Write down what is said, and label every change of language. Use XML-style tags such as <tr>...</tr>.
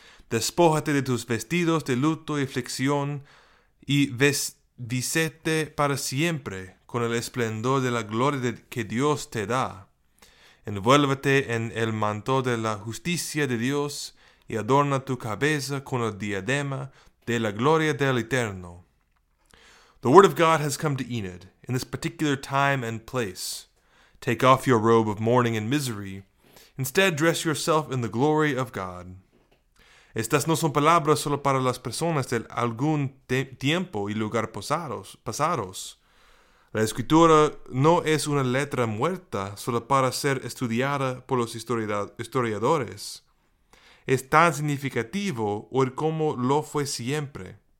<es>Despójate de tus vestidos de luto y aflicción y vístete para siempre con el esplendor de la gloria que Dios te da. Envuélvete en el manto de la justicia de Dios y adorna tu cabeza con el diadema de la gloria del Eterno.</es> <en>The word of God has come to Enid in this particular time and place. Take off your robe of mourning and misery. Instead, dress yourself in the glory of God.</en> <es>Estas no son palabras solo para las personas de algún tiempo y lugar pasados. La escritura no es una letra muerta solo para ser estudiada por los historiadores. Es tan significativo hoy como lo fue siempre.</es>